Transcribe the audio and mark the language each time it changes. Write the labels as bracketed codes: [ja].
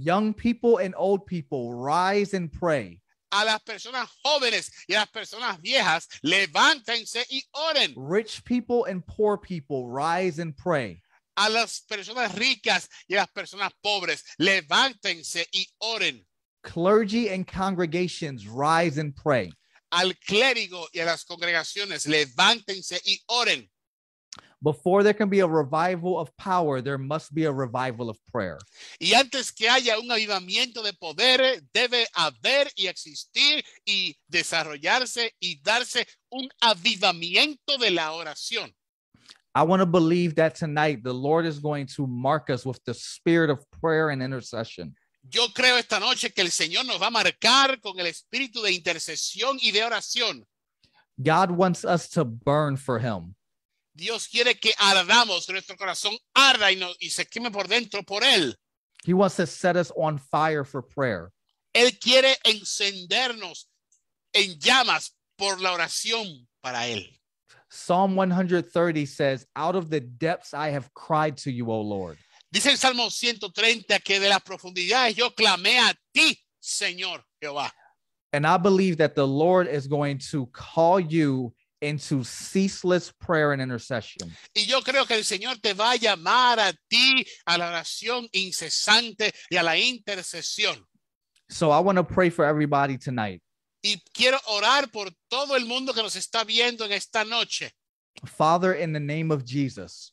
[en] Young people and old people, rise and pray. [es] A las personas jóvenes y a las personas viejas, levántense y oren. [en] Rich people and poor people, rise and pray. [es] A las personas ricas y a las personas pobres, levántense y oren. [en] clergy and congregations rise and pray. [es] Al clérigo y a las congregaciones, levántense y oren. [en] Before there can be a revival of power, there must be a revival of prayer. [es] Y antes que haya un avivamiento de poder, debe haber y existir y desarrollarse y darse un avivamiento de la oración. [en] I want to believe that tonight the Lord is going to mark us with the spirit of prayer and intercession. [es] Yo creo esta noche que el Señor nos va a marcar con el espíritu de intercesión y de oración. [en] God wants us to burn for him. [es] Dios quiere que ardamos, nuestro corazón arda y, no, y se queme por dentro por él. [en] He wants to set us on fire for prayer. [es] Él quiere encendernos en llamas por la oración para él. [en] Psalm 130 says, out of the depths I have cried to you, O Lord. [es] Dice el Salmo 130 que de las profundidades yo clamé a ti, Señor Jehová. [en] And I believe that the Lord is going to call you into ceaseless prayer and intercession. [es] Y yo creo que el Señor te va a llamar a ti a la oración incesante y a la intercesión. [en] So I want to pray for everybody tonight. [es] Y quiero orar por todo el mundo que nos está viendo en esta noche. [en] Father, in the name of Jesus.